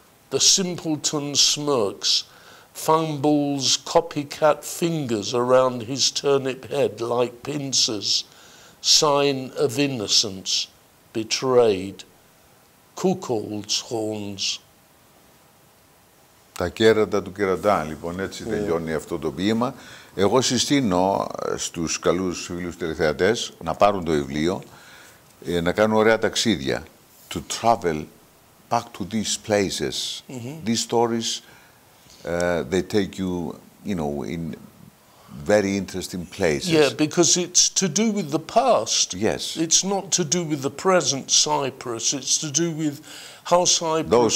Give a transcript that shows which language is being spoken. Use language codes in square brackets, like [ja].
[en] The simpleton smirks, fumbles copycat fingers around his turnip head like pincers, sign of innocence, betrayed. Cuckold's horns. That [el] Τα κέρατα του κερατά, λοιπόν, έτσι τελειώνει αυτό το ποίημα. Εγώ συστήνω στους καλούς φίλους τηλεθεατές να πάρουν το βιβλίο, να κάνουν ωραία ταξίδια. [en] To travel back to these places. Mm-hmm. These stories, they take you, you know, in very interesting places. Yeah, because it's to do with the past. Yes. It's not to do with the present Cyprus. It's to do with how Cyprus